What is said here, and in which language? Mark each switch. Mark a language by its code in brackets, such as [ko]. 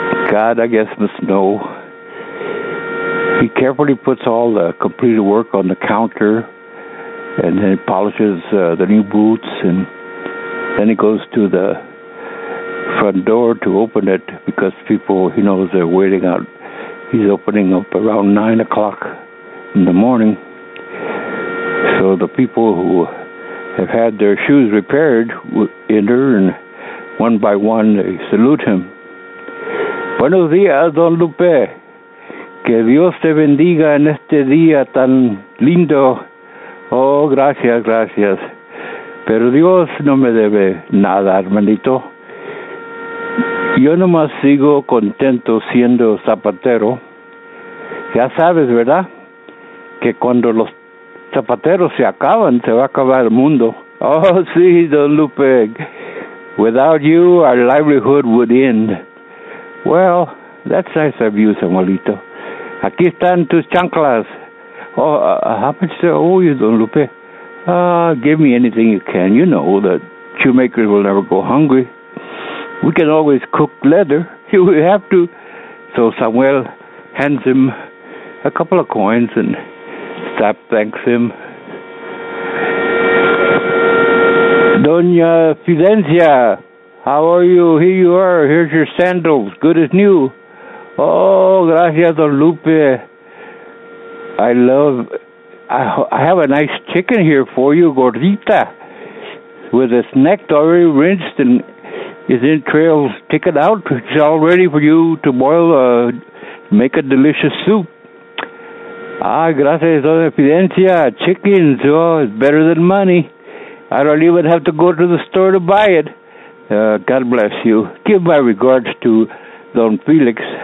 [en] God, I guess, must know. He carefully puts all the completed work on the counter, and then polishes the new boots, and then he goes to the front door to open it, because people, he knows, they're waiting out. He's opening up around 9 o'clock in the morning. So the people who have had their shoes repaired enter, and one by one they salute him. [es] Buenos días, Don Lupe. Que Dios te bendiga en este día tan lindo. Oh, gracias, gracias. Pero Dios no me debe nada, hermanito. Yo nomás sigo contento siendo zapatero. Ya sabes, ¿verdad? Que cuando los zapateros se acaban, se va a acabar el mundo. Oh, sí, Don Lupe. [en] Without you, our livelihood would end. Well, that's nice of you, señorito. [es] Aquí están tus chanclas. [en] Oh, how much do I owe you, Don Lupe? Give me anything you can. You know that shoemakers will never go hungry. We can always cook leather if we have to. So Samuel hands him a couple of coins and Zap thanks him. Doña Fidencia, how are you? Here you are. Here's your sandals. Good as new. [es] Oh, gracias, Don Lupe. [en] I have a nice chicken here for you, gordita, with its neck already rinsed and its entrails taken out. It's all ready for you to boil, make a delicious soup. [es] Ah, gracias, doña Fidencia. [en] Chickens, oh, it's better than money. I don't even have to go to the store to buy it. God bless you. Give my regards to Don Felix.